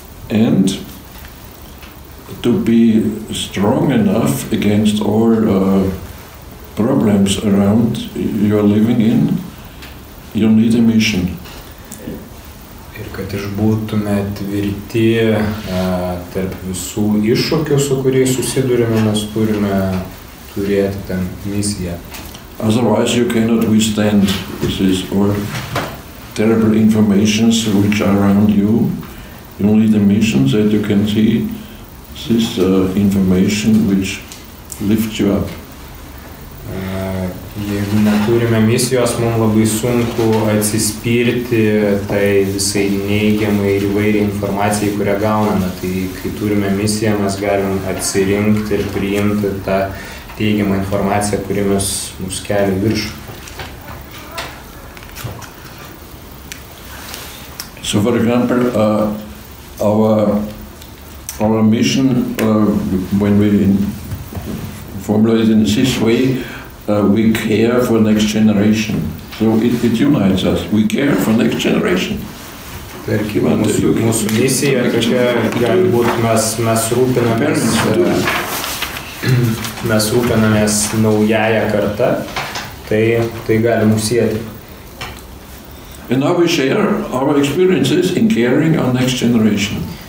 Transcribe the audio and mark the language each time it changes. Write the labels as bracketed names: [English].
[English] And to be strong enough against all problems around you are living in, you need a mission. [Lithuanian] Ir kad išbūtume tvirti tarp visų iššūkių, su kuriais susidurime, mes turime turėti tam misiją. [English] Otherwise you cannot withstand this or terrible informations which are around you. You need a mission that you can see this information which lifts you up. [Lithuanian] Jeigu neturime misijos, mums labai sunku atsispirti tai visai neigiamai ir įvairiai informacijai, kurią gauname. Tai kai turime misiją, mes galim atsirinkti ir priimti tą teigiamą informaciją, kuri mus kelia virš. [English] So, for example, our mission, when we formulate in this way, we care for next generation. So it unites us. We care for next generation. [Lithuanian] Mūsų misija tokia, galbūt mes rūpinamės naująją kartą, tai gali mus sieti. [English] And now we share our experiences in caring on next generation.